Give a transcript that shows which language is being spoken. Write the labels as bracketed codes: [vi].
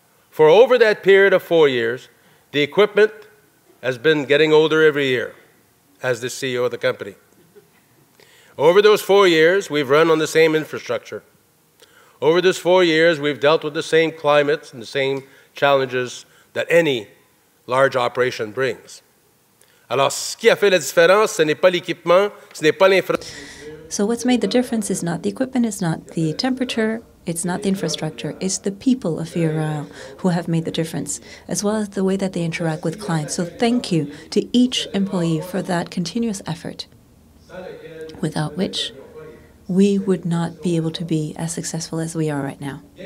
[en] For over that period of 4 years, the equipment has been getting older every year, as the CEO of the company. Over those 4 years, we've run on the same infrastructure. Over those 4 years, we've dealt with the same climates and the same challenges that any large operation brings. [fr] Alors, ce qui a fait la différence, ce n'est pas l'équipement, ce n'est pas l'infrastructure. [en] So what's made the difference is not the equipment, it's not the temperature, it's not the infrastructure, it's the people of Via Rail who have made the difference, as well as the way that they interact with clients. So thank you to each employee for that continuous effort, without which we would not be able to be as successful as we are right now.